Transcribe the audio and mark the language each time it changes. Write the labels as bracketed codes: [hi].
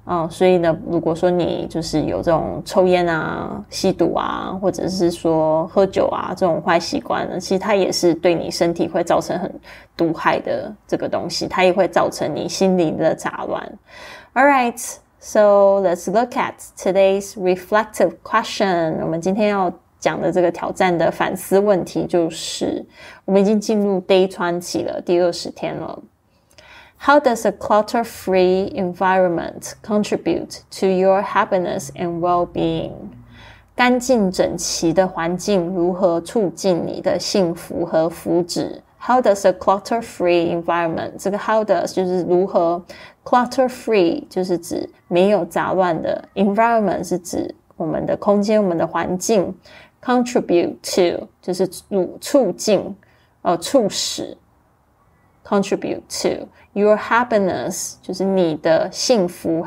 [zh] 所以呢，如果说你就是有这种抽烟啊、吸毒啊，或者是说喝酒啊这种坏习惯呢，其实它也是对你身体会造成很毒害的这个东西，它也会造成你心灵的杂乱。 [en] Alright, so let's look at today's reflective question. [zh] 我们今天要讲的这个挑战的反思问题就是，我们已经进入 day 20期了，第20天了。 [en] How does a clutter-free environment contribute to your happiness and well-being? [zh] 干净整齐的环境如何促进你的幸福和福祉？ [en] How does a clutter-free environment? [zh] 这个 how does 就是如何， clutter-free 就是指没有杂乱的， environment 是指我们的空间，我们的环境， contribute to 就是促进，促使， [en] contribute to your happiness [zh] 就是你的幸福。